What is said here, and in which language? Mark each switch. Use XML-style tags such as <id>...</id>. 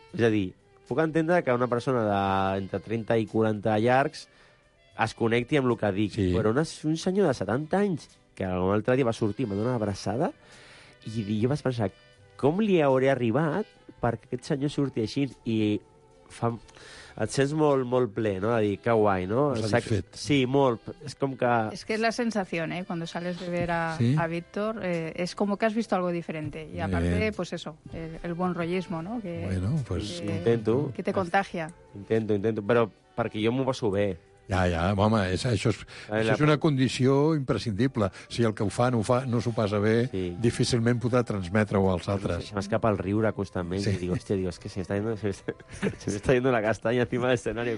<ca>És a dir, puc entendre que una persona d'entre 30 i 40 llargs es connecti amb el que dic, sí, però un senyor de 70 anys que un altre dia va sortir i m'ha donat una abraçada i jo vaig pensar, com li hauré arribat perquè aquest senyor surti així i fa... et sents molt, molt ple, no? De dir, que guai, no? Sí, molt. És com que...</ca> <es>És que és la sensació, quan sales de ver a Víctor, és com que has visto algo diferente. I, aparte, pues eso, el buen rollismo, no? Que, bueno, pues... Que, intento. Que te contagia. Intento.</es> <ca>Però perquè jo m'ho passo bé. Ja, home, això és una condició imprescindible. Si el que ho fa no s'ho passa bé, sí, difícilment podrà transmetre-ho als altres. Se m'escapa el riure constantment. Sí. I dic, hòstia, és que se m'està yendo la castanya encima de l'escenari.</ca>